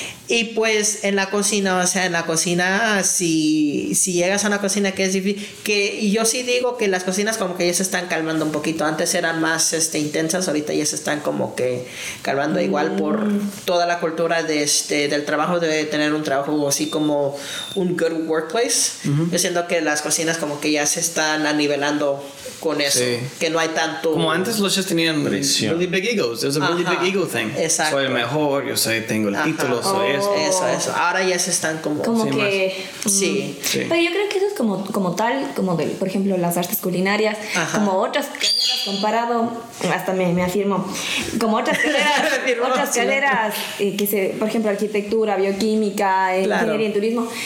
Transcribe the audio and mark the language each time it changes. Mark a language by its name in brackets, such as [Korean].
[Spanish] Y pues en la cocina, o sea, en la cocina, si llegas a una cocina que es difícil, que yo sí digo que las cocinas como que ya se están calmando un poquito, antes eran más intensas, ahorita ya se están como que calmando igual por toda la cultura de del trabajo, de tener un trabajo así como un [English] good workplace. [Spanish] Uh-huh. Yo siento que las cocinas como que ya se están anivelando con eso, sí, que no hay tanto... Como antes los chefs tenían [English] really big egos, it was a really big ego thing. [Spanish] Exacto. Soy el mejor, yo soy, tengo el título, soy... Eso. Ahora ya se están como sí, que sí. Pero yo creo que eso es como tal, como de, por ejemplo, las artes culinarias. Ajá. Como otras carreras comparado, hasta me afirmo, como otras carreras, otras carreras, que se, por ejemplo, arquitectura, bioquímica, claro, ingeniería en turismo.